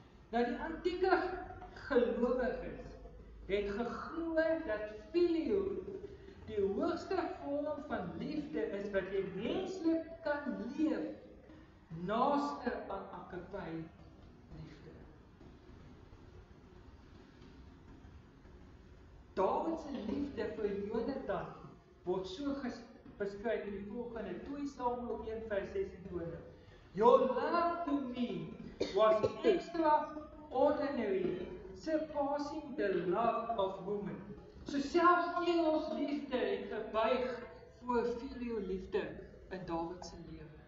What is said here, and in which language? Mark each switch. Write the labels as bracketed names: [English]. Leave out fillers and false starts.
[Afrikaans] Nou die antieke gelowiges het geglo dat filio die hoogste vorm van liefde is wat jy menslik kan leef naaste aan agape liefde. Dawid se liefde vir Jonatan word so beskryf in die volgende 2 Samuel 1:26. [English] Your love to me was extra ordinary, surpassing the love of women. [Afrikaans] So selfs engels liefde het gebuig voor filio liefde in Dawid se lewe.